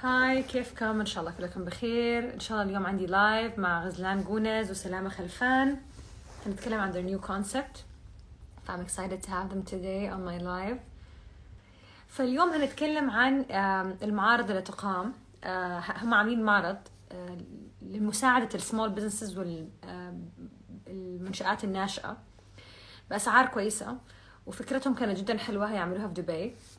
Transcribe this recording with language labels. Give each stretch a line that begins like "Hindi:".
Arabic: هاي كيفكم؟ ان شاء الله كلكم بخير. ان شاء الله اليوم عندي لايف مع غزلان جونز وسلامة خلفان. هنتكلم عن
English: their new concept. I'm excited to have them today on my live.
Arabic: فاليوم هنتكلم عن المعارض اللي تقام. هم عاملين معرض لمساعدة السمول بزنسز والمنشآت الناشئة بأسعار كويسة، وفكرتهم كانت جدا حلوة، هيعملوها في دبي.